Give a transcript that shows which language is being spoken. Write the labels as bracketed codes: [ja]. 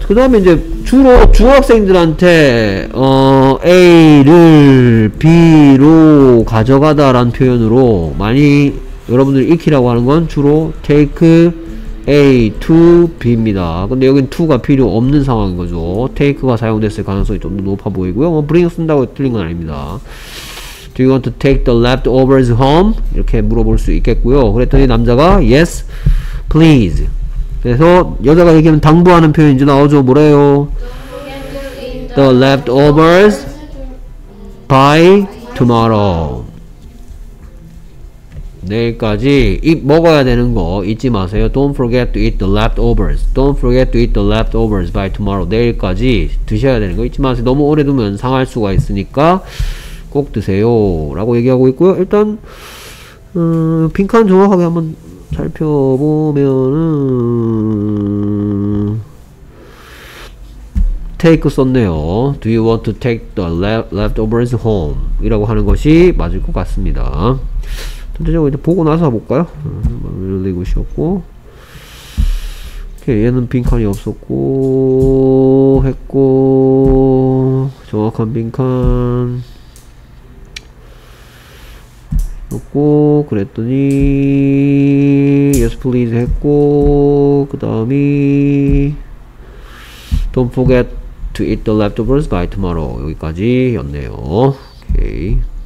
[ko] 그 다음에 이제 주로 중학생들한테 A를 B로 가져가다 라는 표현으로 많이 여러분들이 익히라고 하는 건 주로 take A to B입니다. 근데 여긴 to가 필요 없는 상황인거죠. take가 사용됐을 가능성이 좀 더 높아 보이고요. 뭐 bring 쓴다고 틀린건 아닙니다. [en] Do you want to take the leftovers home? [ko] 이렇게 물어볼 수 있겠고요. 그랬더니 남자가 [en] yes please. [ko] 그래서 여자가 얘기하면 당부하는 표현 이제 나오죠. 뭐래요? [en] The leftovers by tomorrow. [ko] 내일까지 먹어야 되는 거 잊지 마세요. [en] Don't forget to eat the leftovers. Don't forget to eat the leftovers by tomorrow. [ko] 내일까지 드셔야 되는 거 잊지 마세요. 너무 오래 두면 상할 수가 있으니까 꼭 드세요. 라고 얘기하고 있고요. 일단 빈칸 정확하게 한번 살펴보면은 take 썼네요. [en] Do you want to take the leftovers home? [ko] 이라고 하는 것이 맞을 것 같습니다. 전체적으로 이제 보고 나서 볼까요? 릴리고 쉬었고 오케이. 얘는 빈칸이 없었고 했고 정확한 빈칸 없고 그랬더니 [en] yes please [ko] 했고 그 다음이 [en] don't forget to eat the leftovers by tomorrow [ko] 여기까지 였네요. 오케이.